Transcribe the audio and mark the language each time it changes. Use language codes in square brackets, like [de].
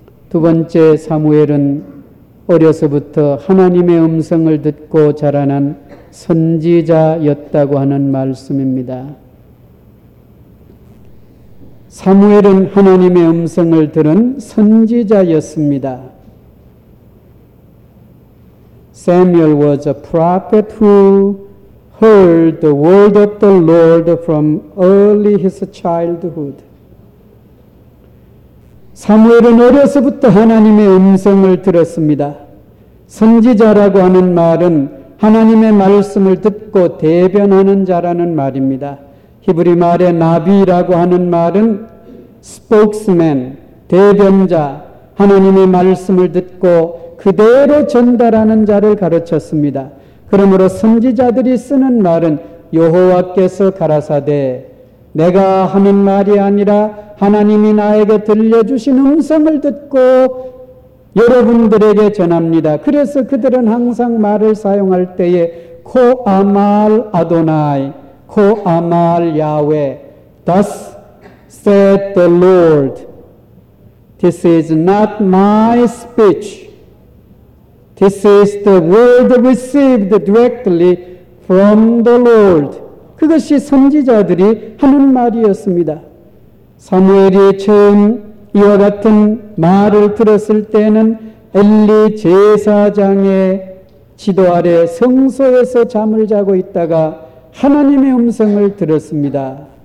[ko] 두 번째 사무엘은 어려서부터 하나님의 음성을 듣고 자라난 선지자였다고 하는 말씀입니다. 사무엘은 하나님의 음성을 들은 선지자였습니다. [en] Samuel was a prophet who heard the word of the Lord from early his childhood. [ko] 사무엘은 어려서부터 하나님의 음성을 들었습니다. 선지자라고 하는 말은 하나님의 말씀을 듣고 대변하는 자라는 말입니다. 히브리 말의 나비라고 하는 말은 spokesman, 대변자, 하나님의 말씀을 듣고 그대로 전달하는 자를 가르쳤습니다. 그러므로 선지자들이 쓰는 말은 여호와께서 가라사대, 내가 하는 말이 아니라 하나님이 나에게 들려주신 음성을 듣고 여러분들에게 전합니다. 그래서 그들은 항상 말을 사용할 때에 [he] 코 아말 아도나이, 코 아말 야외, [en] Thus said the Lord, This is not my speech. This is the word received directly from the Lord. [ko] 그것이 선지자들이 하는 말이었습니다. 사무엘이 처음 이와 같은 말을 들었을 때는 엘리 제사장의 지도 아래 성소에서 잠을 자고 있다가 하나님의 음성을 들었습니다.